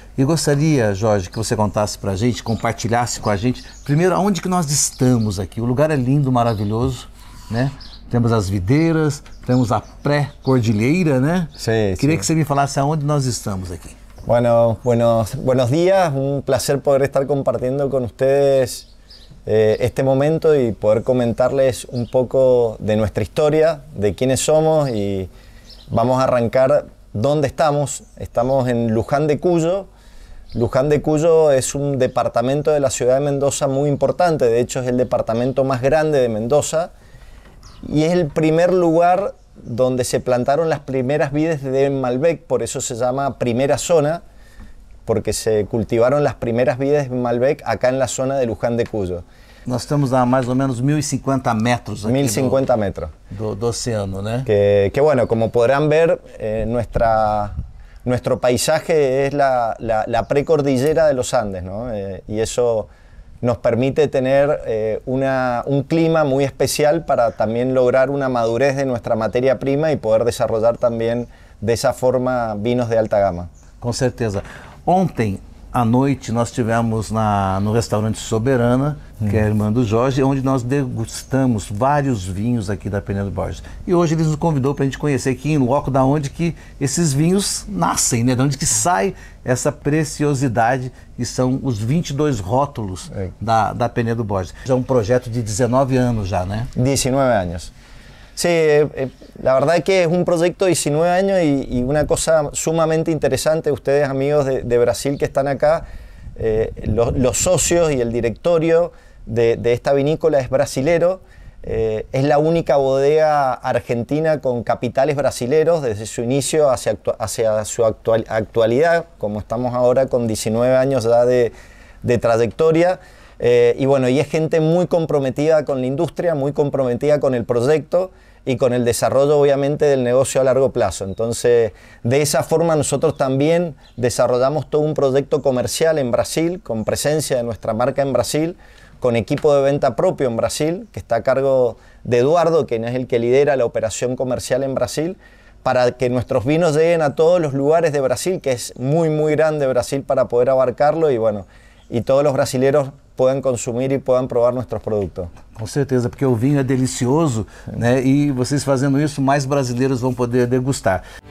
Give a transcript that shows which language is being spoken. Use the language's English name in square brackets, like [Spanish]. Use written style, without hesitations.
[Portuguese] E gostaria, Jorge, que você contasse para a gente, compartilhasse com a gente, primeiro, aonde que nós estamos aqui. O lugar é lindo, maravilhoso, né? Temos as videiras, temos a pré-cordilheira, né? Sim, queria que você me falasse aonde nós estamos aqui. [Spanish] Bueno, buenos días. Un placer poder estar compartiendo con ustedes este momento y poder comentarles un poco de nuestra historia, de quiénes somos, y vamos a arrancar dónde estamos. Estamos en Luján de Cuyo. Luján de Cuyo es un departamento de la ciudad de Mendoza muy importante. De hecho, es el departamento más grande de Mendoza y es el primer lugar donde se plantaron las primeras vides de Malbec, por eso se llama Primera Zona, porque se cultivaron las primeras vides de Malbec acá en la zona de Luján de Cuyo. Nos estamos a más o menos 1.050 metros. 1.050 metros. Do océano, ¿no? Que bueno, como podrán ver, nuestro paisaje es la precordillera de los Andes, ¿no? Y eso nos permite tener un clima muy especial para también lograr una madurez de nuestra materia prima y poder desarrollar también de esa forma vinos de alta gama. [Portuguese] Con certeza. Ontem à noite nós tivemos no restaurante Soberana, que é a irmã do Jorge, onde nós degustamos vários vinhos aqui da Penedo Borges. E hoje eles nos convidou para a gente conhecer aqui em loco da onde que esses vinhos nascem, né? De onde que sai essa preciosidade, que são os 22 rótulos da Penedo Borges. É um projeto de 19 anos já, né? 19 anos. Sim, a verdade é que é um projeto de 19 anos e uma coisa sumamente interessante, vocês amigos de Brasil que estão aqui, [Spanish] los socios y el directorio de esta vinícola es brasilero. Es la única bodega argentina con capitales brasileros desde su inicio hacia su actualidad, como estamos ahora con 19 años ya de trayectoria. Y es gente muy comprometida con la industria, muy comprometida con el proyecto y con el desarrollo, obviamente, del negocio a largo plazo. Entonces, de esa forma, nosotros también desarrollamos todo un proyecto comercial en Brasil, con presencia de nuestra marca en Brasil, con equipo de venta propio en Brasil, que está a cargo de Eduardo, quien es el que lidera la operación comercial en Brasil, para que nuestros vinos lleguen a todos los lugares de Brasil, que es muy, muy grande Brasil, para poder abarcarlo y todos los brasileros puedan consumir y puedan probar nuestros productos. [Portuguese] Com certeza, porque o vinho é delicioso, né? E vocês fazendo isso, mais brasileiros vão poder degustar.